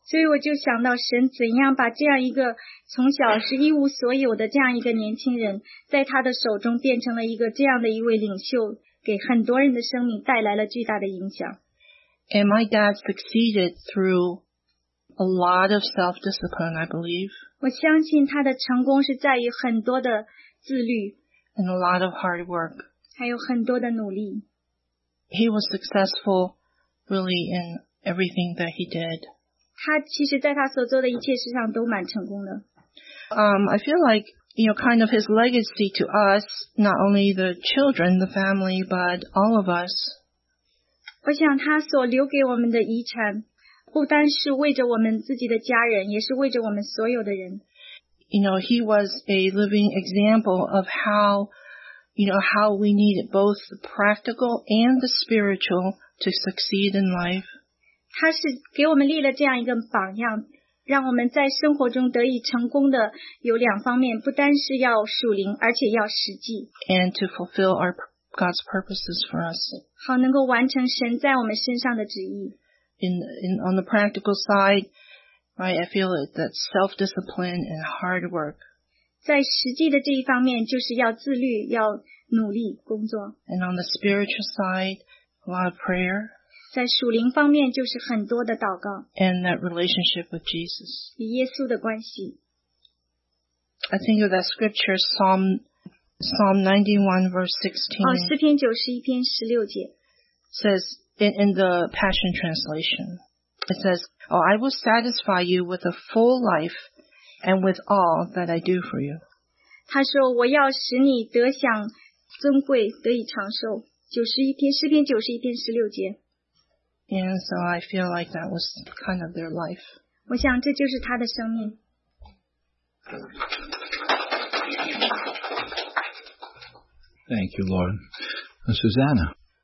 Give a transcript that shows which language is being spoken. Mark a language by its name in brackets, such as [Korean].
[Chinese] 所以我就想到神怎样把这样一个从小是一无所有的这样一个年轻人在他的手中变成了一个这样的一位领袖，给很多人的生命带来了巨大的影响。 [English] And my dad succeeded through a lot of self-discipline, I believe. [Chinese] 我相信他的成功是在于很多的自律。 [English] And a lot of hard work. [Chinese] 还有很多的努力。 [English] He was successful, really, in everything that he did. [Chinese] 他其实在他所做的一切事上都蛮成功的。 [English] I feel like, you know, kind of his legacy to us, not only the children, the family, but all of us, [Chinese] 我想他所留给我们的遗产不单是为着我们自己的家人，也是为着我们所有的人。 [English] You know, he was a living example of how, you know, how we need both the practical and the spiritual to succeed in life. [Chinese] 他是给我们立了这样一个榜样，让我们在生活中得以成功的有两方面，不单是要属灵，而且要实际。 [English] And to fulfill our God's purposes for us. [Chinese] 好能够完成神在我们身上的旨意。 [English] On the practical side, right, I feel it, that self-discipline and hard work. [Chinese] 在实际的这一方面就是要自律，要努力工作。 [English] And on the spiritual side, a lot of prayer. [Chinese] 在属灵方面就是很多的祷告。 [English] And that relationship with Jesus. [Chinese] 与耶稣的关系。 [English] I think of that scripture, Psalm 91 verse 16. [Chinese] 诗篇91篇16节 [English] says in the Passion Translation, it says, "Oh, I will satisfy you with a full life, and with all that I do for you." [Chinese] 他说，我要使你得享尊贵，得以长寿。诗篇91篇16节。 [English] And so I feel like that was kind of their life. [Chinese] 我想这就是他的生命。 [English] Thank you, Lord. And Susanna.